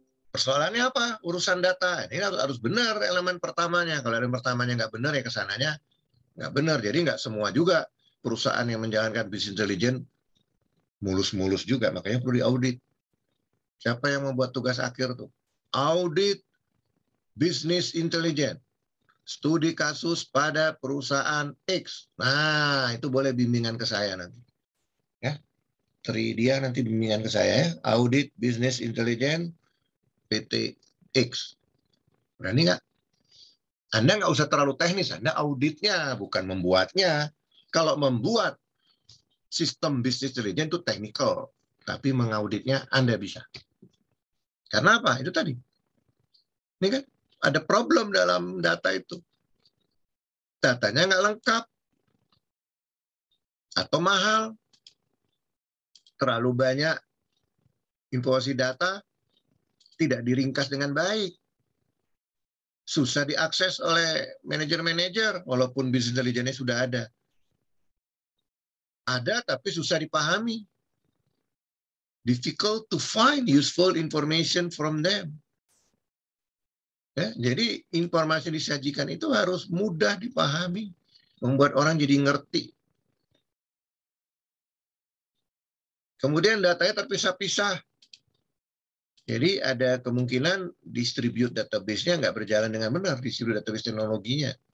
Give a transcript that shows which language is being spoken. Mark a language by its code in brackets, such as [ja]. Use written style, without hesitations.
[id] Persoalannya apa? Urusan data. Ini harus benar elemen pertamanya. Kalau elemen pertamanya nggak benar, ya kesananya nggak benar. Jadi nggak semua juga perusahaan yang menjalankan business intelligence mulus-mulus juga, makanya perlu diaudit. Siapa yang membuat tugas akhir tuh? Audit business intelligence. Studi kasus pada perusahaan X. Nah, itu boleh bimbingan ke saya nanti. Ya. Tri dia nanti bimbingan ke saya ya. Audit business intelligence PT X. Berani nggak? Anda nggak usah terlalu teknis. Anda auditnya, bukan membuatnya. Kalau membuat sistem bisnis intelijen itu teknikal, tapi mengauditnya Anda bisa. Karena apa? Itu tadi. Ini kan ada problem dalam data itu. Datanya nggak lengkap. Atau mahal. Terlalu banyak informasi data tidak diringkas dengan baik. Susah diakses oleh manajer-manajer, walaupun business intelligence-nya sudah ada. Ada, tapi susah dipahami. [en] Difficult to find useful information from them. [id] Ya, jadi informasi yang disajikan itu harus mudah dipahami, membuat orang jadi ngerti. Kemudian datanya terpisah-pisah. Jadi ada kemungkinan distribute database-nya nggak berjalan dengan benar, distribute database teknologinya.